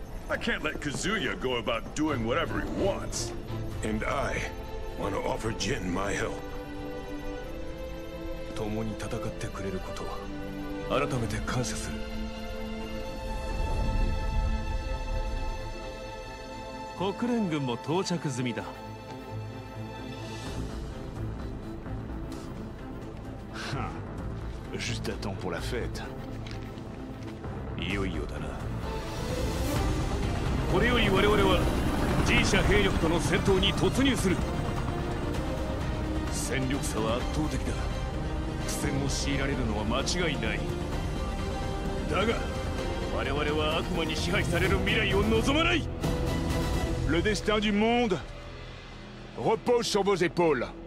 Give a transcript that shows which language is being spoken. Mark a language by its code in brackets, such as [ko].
[en] I can't let Kazuya go about doing whatever he wants. And I want to offer Jin my help. [ja] 共に戦ってくれることは改めて感謝する。国連軍も到着済みだ。 [fr] Juste à temps pour la fête. [ja] いよいよだな。これより我々は G 社兵力との戦闘に突入する。戦力差は圧倒的だ。苦戦を強いられるのは間違いない。だが我々は悪魔に支配される未来を望まない。 [fr] Le destin du monde repose sur vos épaules。